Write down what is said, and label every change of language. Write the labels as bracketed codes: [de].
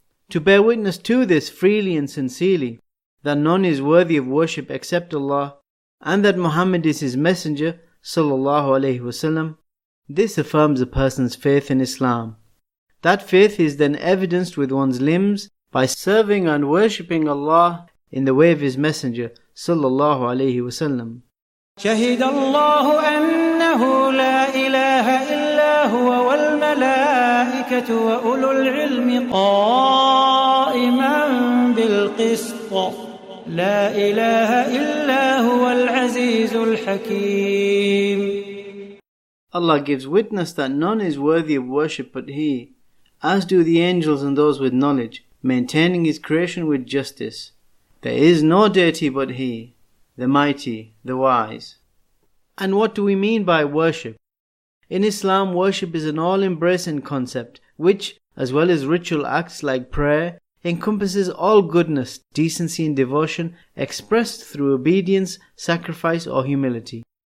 [en] To bear witness to this freely and sincerely, that none is worthy of worship except Allah, and that Muhammad is his messenger, sallallahu alayhi wasallam, this affirms a person's faith in Islam. That faith is then evidenced with one's limbs by serving and worshipping Allah in the way of his messenger, sallallahu alayhi wasallam. [ar] شهد الله أنه لا إله إلا هو والملائكة وأولو العلم قائما بالقسط لا إله إلا هو العزيز الحكيم. [en] Allah gives witness that none is worthy of worship but He, as do the angels and those with knowledge, maintaining His creation with justice. There is no deity but He, the Mighty, the Wise. And what do we mean by worship? In Islam, worship is an all-embracing concept, which, as well as ritual acts like prayer, encompasses all goodness, decency and devotion expressed through obedience, sacrifice or humility.